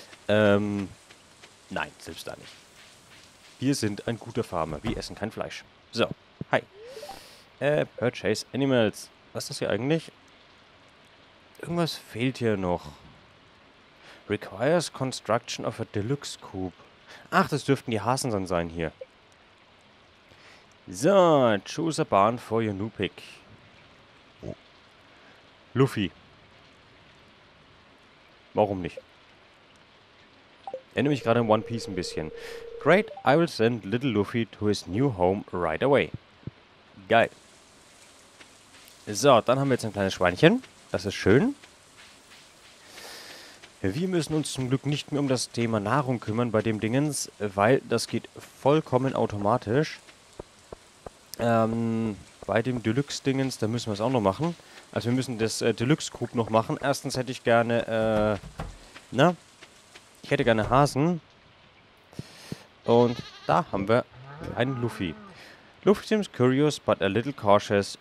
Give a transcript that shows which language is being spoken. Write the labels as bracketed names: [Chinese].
[German] Nein, selbst da nicht. Wir sind ein guter Farmer. Wir essen kein Fleisch. So, hi. [English] Purchase Animals. [German] Was ist das hier eigentlich? Irgendwas fehlt hier noch. [English] Requires construction of a deluxe coop. [German] Ach, das dürften die Hasen dann sein hier. [English] So, choose a barn for your new pick. [German] Luffy. Warum nicht? Erinnere mich gerade an One Piece ein bisschen. [English] Great, I will send little Luffy to his new home right away. [German] Geil. So, dann haben wir jetzt ein kleines Schweinchen. Das ist schön. Wir müssen uns zum Glück nicht mehr um das Thema Nahrung kümmern bei dem Dingens, weil das geht vollkommen automatisch. Bei dem Deluxe-Dingens, da müssen wir es auch noch machen. Also wir müssen das Deluxe-Coop noch machen. Erstens hätte ich gerne, ich hätte gerne Hasen. Und da haben wir einen Luffy. [English] Luffy seems curious, but a little cautious.